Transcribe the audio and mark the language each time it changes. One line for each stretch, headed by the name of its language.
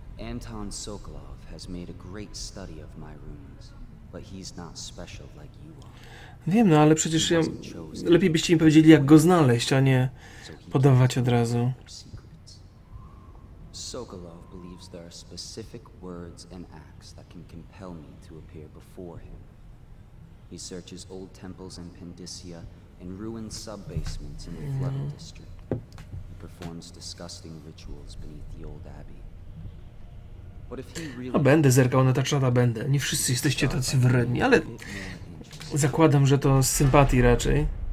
English: Anton Sokolov has made a great study of my runes, but he's not special like you are.
Polish: Wiem, no ale przecież ja... Lepiej byście mi powiedzieli, jak go znaleźć, a nie podawać od razu.
English: Sokolov believes there are specific words and acts that can compel me to appear before him. He searches old temples in Pendicia and ruined sub-basements in the flooded district. He performs disgusting rituals beneath the old abbey.
Polish: A będę zerkał na Tachana, będę. Nie wszyscy jesteście tacy wredni, ale... Zakładam, że to z sympatii raczej.